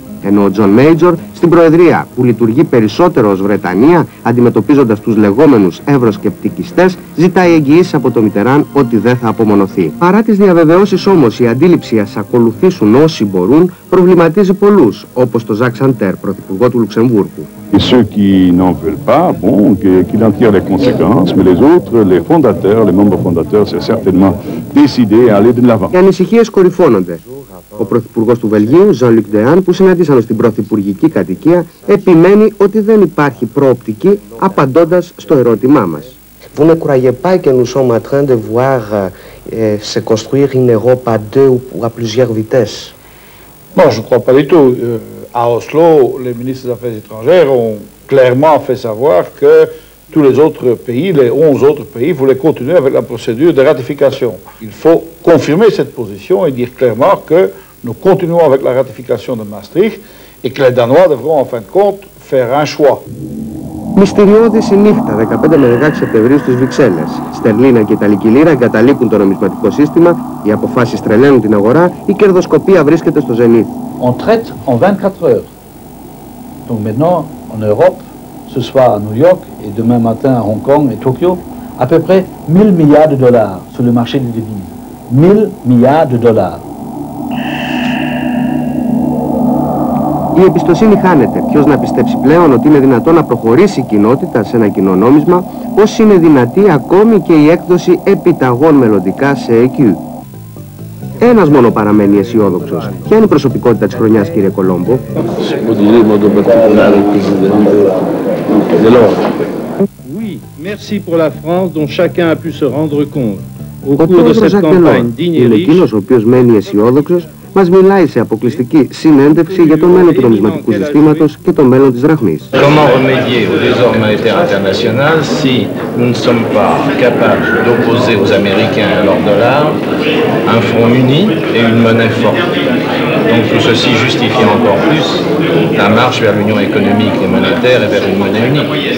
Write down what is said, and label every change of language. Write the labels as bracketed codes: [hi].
[el] Ενώ ο Τζον Μέιτζορ, στην Προεδρία, που λειτουργεί περισσότερο ως Βρετανία, αντιμετωπίζοντας τους λεγόμενους ευρωσκεπτικιστές, ζητάει εγγυήσεις από το Μιτεράν ότι δεν θα απομονωθεί. Παρά τις διαβεβαιώσεις όμως, η αντίληψη ας ακολουθήσουν όσοι μπορούν, προβληματίζει πολλούς, όπως το Ζακ Σαντέρ, πρωθυπουργό του Λουξεμβούργου. [fr] Et ceux qui n'en veulent pas, bon, qu'ils en tirent les conséquences, mais les autres, les fondateurs, les membres fondateurs, c'est certainement décidé à aller de l'avant. [el] Οι ανησυχίες κορυφώνονται. Ο πρωθυπουργός του Βελγίου, Jean-Luc Dehaene, που συναντήσαμε στην πρωθυπουργική κατοικία, επιμένει ότι δεν υπάρχει προοπτική, απαντώντας στο ερώτημά μας. [fr] Vous ne croyez pas que nous sommes en train de voir se construire une Europe à deux ou à plusieurs vitesses? Non, je ne crois pas du tout. À Oslo, les ministres des Affaires étrangères ont clairement fait savoir que tous les autres pays, les 11 autres pays, voulaient continuer avec la procédure de ratification. Il faut confirmer cette position et dire clairement que nous continuons avec la ratification de Maastricht et que les Danois devront en fin de compte faire un choix. [el] Μυστηριώδης η νύχτα 15 με 16 Σεπτεμβρίου στις Βρυξέλλες. Στερλίνα και Ιταλική Λίρα εγκαταλείπουν το νομισματικό σύστημα, οι αποφάσεις τρελαίνουν την αγορά, η κερδοσκοπία βρίσκεται στο ζενίθ. [fr] On traite en 24 heures. Donc maintenant, en Europe, ce soir à New York et demain matin à Hong Kong et Tokyo, à peu près 1000 milliards de dollars sur le marché des devises. 1000 milliards de dollars. [el] Η εμπιστοσύνη χάνεται. Ποιος να πιστέψει πλέον ότι είναι δυνατό να προχωρήσει η κοινότητα σε ένα κοινό νόμισμα, πώς είναι δυνατή ακόμη και η έκδοση επιταγών μελλοντικά σε EQ. Ένας μόνο παραμένει αισιόδοξος. Ποια είναι η προσωπικότητα της χρονιάς, κύριε Κολόμπο? [fr] Oui, merci pour la France dont chacun a pu se rendre compte. [el] Ο πρόεδρος Ζακ Ντελόρ είναι εκείνος ο οποίος μένει αισιόδοξος, μας μιλάει σε αποκλειστική συνέντευξη για το μέλλον του νομισματικού συστήματος και το μέλλον της δραχμής. [fr] Comment remédier au désordre international si nous ne sommes pas capables d'opposer aux Américains leur dollar, un front uni et une monnaie forte. Donc tout ceci justifie encore plus la marche vers l'union économique et monétaire et vers une monnaie unique.